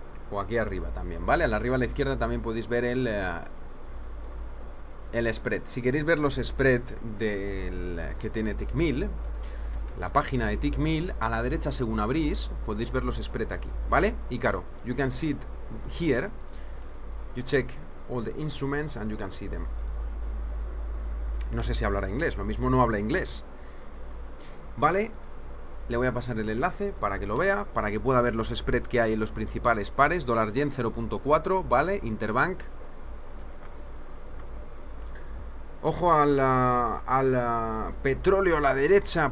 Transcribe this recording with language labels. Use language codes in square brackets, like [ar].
[es] O aquí arriba también, ¿vale? Arriba a la izquierda también podéis ver el spread. Si queréis ver los spread que tiene Tikmil, la página de Tikmil, a la derecha según abrís, podéis ver los spread aquí, ¿vale? Y claro, [en] you can see it here. You check all the instruments and you can see them. [es] No sé si hablará inglés, lo mismo no habla inglés. ¿Vale? Le voy a pasar el enlace para que lo vea, para que pueda ver los spread que hay en los principales pares. Dólar yen 0.4, ¿vale? Interbank. Ojo al petróleo a la derecha.